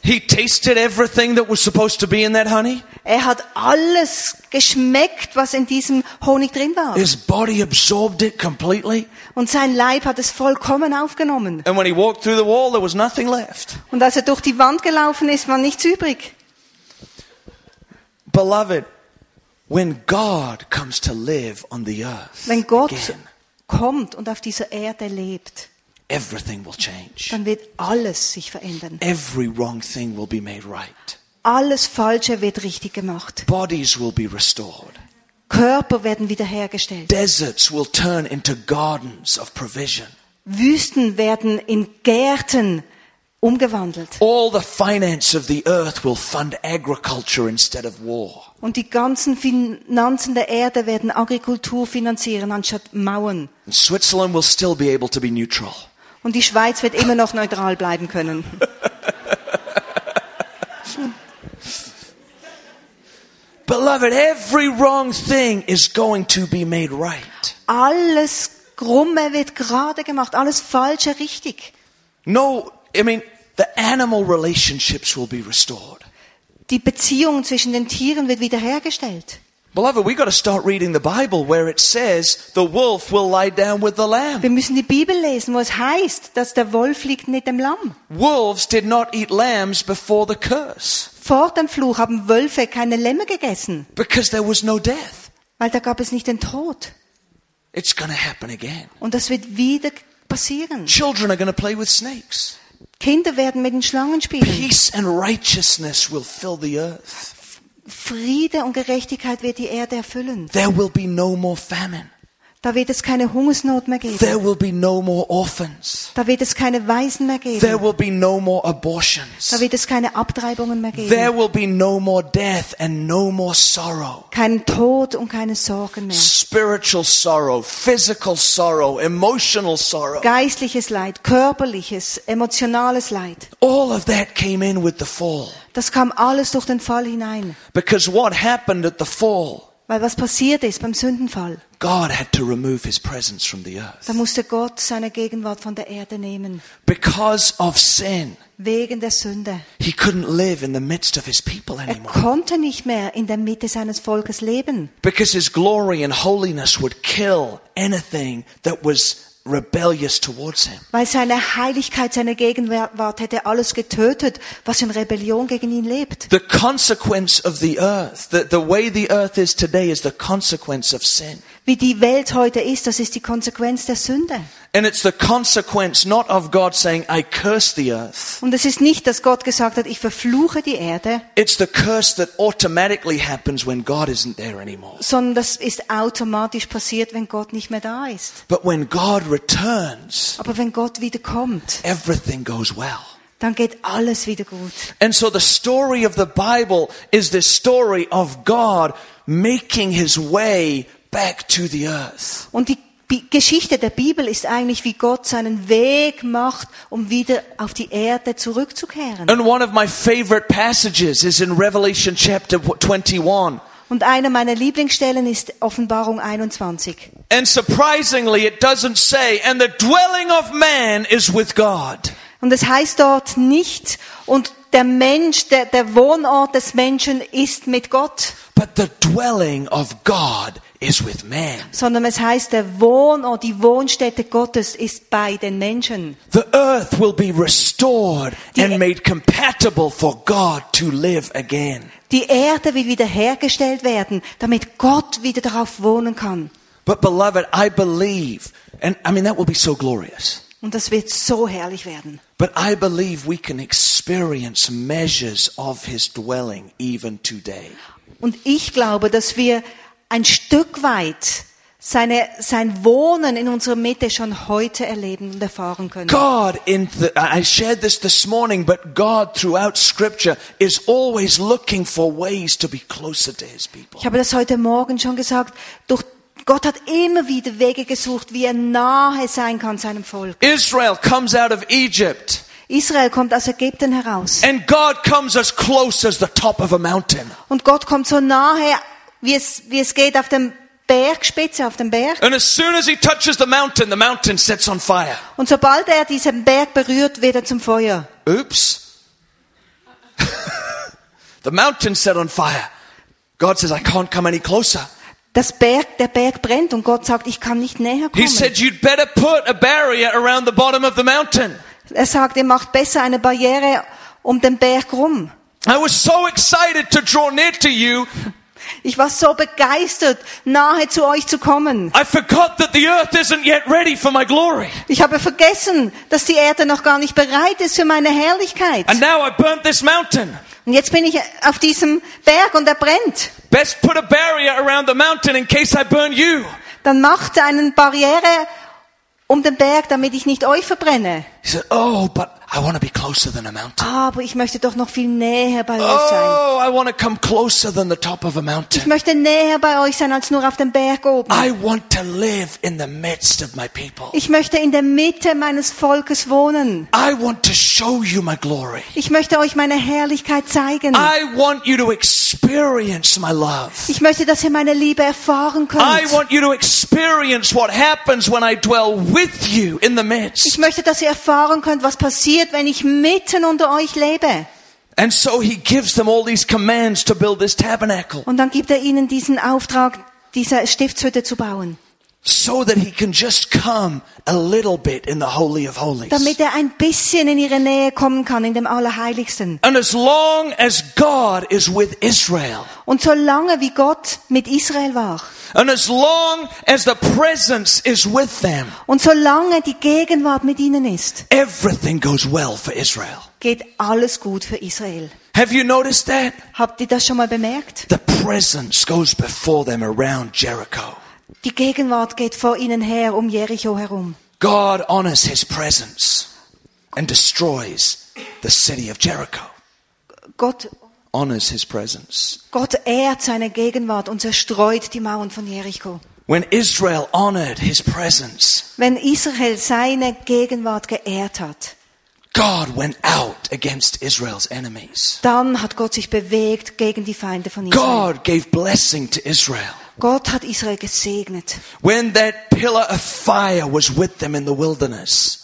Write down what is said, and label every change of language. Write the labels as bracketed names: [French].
[English] He tasted everything that was supposed to be in that honey. [German] Er hat alles geschmeckt, was in diesem Honig drin war. [English] His body absorbed it completely. [German] Und sein Leib hat es vollkommen aufgenommen. [English] And when he walked through the wall, there was nothing left. [German] Und als er durch die Wand gelaufen ist, war nichts übrig. [English] Beloved, when God comes to live on the earth, [German] wenn Gott [English] again, [German] kommt und auf dieser Erde lebt, [English] everything will change. [German] Dann wird alles sich verändern. [English] Every wrong thing will be made right. [German] Alles Falsche wird richtig gemacht. [English] Bodies will be restored. [German] Körper werden wiederhergestellt. [English] Deserts will turn into gardens of provision. [German] Wüsten werden in Gärten umgewandelt. [English] All the finance of the earth will fund agriculture instead of war. [German] Und die ganzen Finanzen der Erde werden Agrikultur finanzieren anstatt Mauern. [English] And Switzerland will still be able to be neutral. [German] Und die Schweiz wird immer noch neutral bleiben können. [English] Beloved, every wrong thing is going to be made right. [German] Alles Krumme wird gerade gemacht, alles Falsche richtig. [English] No, I mean, the animal relationships will be restored. [German] Die Beziehung zwischen den Tieren wird wiederhergestellt. [English] Beloved, we got to start reading the Bible where it says the wolf will lie down with the lamb. [German] Wir müssen die Bibel lesen, wo es heißt, dass der Wolf liegt mit dem Lamm. [English] Wolves did not eat lambs before the curse. [German] Vor dem Fluch haben Wölfe keine Lämmer gegessen. [English] Because there was no death. [German] Weil da gab es nicht den Tod. [English] It's going to happen again. [German] Und das wird wieder passieren. [English] Children are going to play with snakes. [German] Kinder werden mit den Schlangen spielen. [English] Peace and righteousness will fill the earth. [German] Friede und Gerechtigkeit wird die Erde erfüllen. [English] There will be no more famine. [German] Da wird es keine Hungersnot mehr geben. [English] There will be no more orphans. [German] Da wird es keine Waisen mehr geben. [English] There will be no more abortions. [German] Da wird es keine Abtreibungen mehr geben. [English] There will be no more death and no more sorrow. [German] Kein Tod und keine Sorgen mehr. [English] Spiritual sorrow, physical sorrow, emotional sorrow. [German] Geistliches Leid, körperliches, emotionales Leid. [English] All of that came in with the fall. [German] Das kam alles durch den Fall hinein. [English] Because what happened at the fall? [German] Weil was passiert ist beim Sündenfall? [English] God had to remove his presence from the earth. [German] Da musste Gott seine Gegenwart von der Erde nehmen. [English] Because of sin. [German] Wegen der Sünde. [English] He couldn't live in the midst of his people anymore. [German] Er konnte nicht mehr in der Mitte seines Volkes leben. [English] Because his glory and holiness would kill anything that was rebellious towards him. [German] Weil seine Heiligkeit, seine Gegenwart hätte alles getötet, was in Rebellion gegen ihn lebt. [English] The consequence of the earth, the way the earth is today is the consequence of sin. [German] Wie die Welt heute ist, das ist die Konsequenz der Sünde. [English] And it's the consequence not of God saying I curse the earth. [German] Und es ist nicht, dass Gott gesagt hat, ich verfluche die Erde. [English] It's the curse that automatically happens when God isn't there anymore. [German] Sondern das ist automatisch passiert, wenn Gott nicht mehr da ist. [English] But when God returns. [German] Aber wenn Gott wiederkommt. [English] Everything goes well. [German] Dann geht alles wieder gut. [English] And so the story of the Bible is this story of God making his way back to the earth. [German] Und die Geschichte der Bibel ist eigentlich, wie Gott seinen Weg macht, um wieder auf die Erde zurückzukehren. [English] And one of my favorite passages is in Revelation chapter 21. [German] Und eine meiner Lieblingsstellen ist Offenbarung 21. [English] And surprisingly, it doesn't say, and the dwelling of man is with God. [German] Und es heißt dort nicht, und der Mensch, der Wohnort des Menschen ist mit Gott. [English] But the dwelling of God is with man. [German] Sondern es heißt, der Wohnort, die Wohnstätte Gottes ist bei den Menschen. [English] The earth will be restored and made compatible for God to live again. [German] Die Erde will wiederhergestellt werden, damit Gott wieder darauf wohnen kann. [English] But beloved, I believe, and I mean that will be so glorious. [German] Und das wird so herrlich werden. [English] But I believe we can experience measures of his dwelling even today. [German] Und ich glaube, dass wir ein Stück weit sein Wohnen in unserer Mitte schon heute erleben und erfahren können. [English] God in I shared this morning, but God throughout scripture is always looking for ways to be closer to his people. [German] Ich habe das heute Morgen schon gesagt, durch Gott hat immer wieder Wege gesucht, wie er nahe sein kann seinem Volk. [English] Israel comes out of Egypt. [German] Israel kommt aus Ägypten heraus. [English] And God comes as close as the top of a mountain. [German] Und Gott kommt so nahe, wie es geht auf dem Bergspitze, auf dem Berg. [English] And as soon as he touches the mountain sets on fire. [German] Und sobald er diesen Berg berührt, wird er zum Feuer. [English] Oops. The mountain set on fire. God says, I can't come any closer. [German] Der Berg brennt und Gott sagt, ich kann nicht näher kommen. [English] He said, you'd better put a barrier around the bottom of the mountain. [German] Er sagt, ihr macht besser eine Barriere um den Berg rum. [English] I was so excited to draw near to you. [German] Ich war so begeistert, nahe zu euch zu kommen. [English] I forgot that the earth isn't yet ready for my glory. [German] Ich habe vergessen, dass die Erde noch gar nicht bereit ist für meine Herrlichkeit. [English] And now I burnt this mountain. [German] Und jetzt bin ich auf diesem Berg und er brennt. [English] Best put a barrier around the mountain in case I burn you. [German] Dann macht eine Barriere um den Berg, damit ich nicht euch verbrenne. [English] He said, oh, but I want to be closer than a mountain. [German] Aber ich möchte doch noch viel näher bei oh, euch sein. [English] Oh, I want to come closer than the top of a mountain. [German] Ich möchte näher bei euch sein als nur auf dem Berg oben. [English] I want to live in the midst of my people. [German] Ich möchte in der Mitte meines Volkes wohnen. [English] I want to show you my glory. [German] Ich möchte euch meine Herrlichkeit zeigen. [English] I want you to experience my love. [German] Ich möchte, dass ihr meine Liebe erfahren könnt. [English] I want you to experience what happens when I dwell with you in the midst. [German] Ich möchte, dass ihr erfahren könnt, was passiert, wenn ich mitten unter euch lebe. [English] And so he gives them all these commands to build this tabernacle. [German] Und dann gibt er ihnen diesen Auftrag, diese Stiftshütte zu bauen. [English] So that he can just come a little bit in the Holy of Holies. [German] Damit er ein bisschen in ihre Nähe kommen kann, in dem Allerheiligsten. [English] And as long as God is with Israel. [German] Und solange wie Gott mit Israel war. [English] And as long as the presence is with them. [German] Und solange die Gegenwart mit ihnen ist. [English] Everything goes well for Israel. [German] Geht alles gut für Israel. [English] Have you noticed that? [German] Habt ihr das schon mal bemerkt? [English] The presence goes before them around Jericho. [German] Die Gegenwart geht vor ihnen her um Jericho herum. [English] God honors his presence and destroys the city of Jericho. [German] Gott [English] honors his presence. [German] Gott ehrt seine Gegenwart und zerstreut die Mauern von Jericho. [English] When Israel honored his presence. [German] Wenn Israel seine Gegenwart geehrt hat. [English] God went out against Israel's enemies. [German] Dann hat Gott sich bewegt gegen die Feinde von Israel. [English] God gave blessing to Israel. [German] Gott hat Israel gesegnet. [English] When that pillar of fire was with them in the wilderness.